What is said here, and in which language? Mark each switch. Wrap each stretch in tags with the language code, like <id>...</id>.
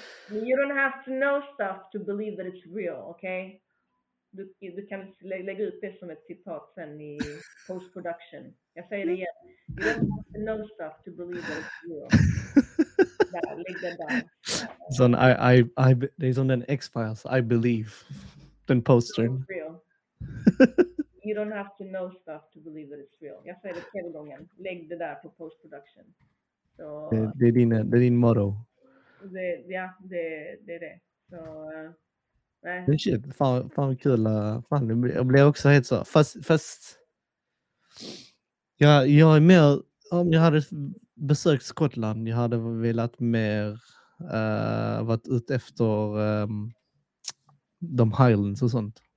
<en>You don't have to know stuff to believe that it's real, okay?</en> <sv>Du kan lägga ut det som ett citat sen i post-production. Jag säger det igen.</sv> <en>You don't have to know stuff to believe that it's real.</en> <sv>Lägg det där. Det är som den X-Files,</sv> <en>I believe.</en> <sv>Den postern.</sv> <en>You don't have to know stuff to believe that it's real.</en> <sv>Jag säger det 3 gånger. Lägg det där på post-production. So, det är din motto. Det är det. Så, nej. Fan kul. Fan, jag blir också helt så. Fast jag är mer, om jag hade besökt Skottland, jag hade velat mer varit ut efter de Highlands och sånt.</sv>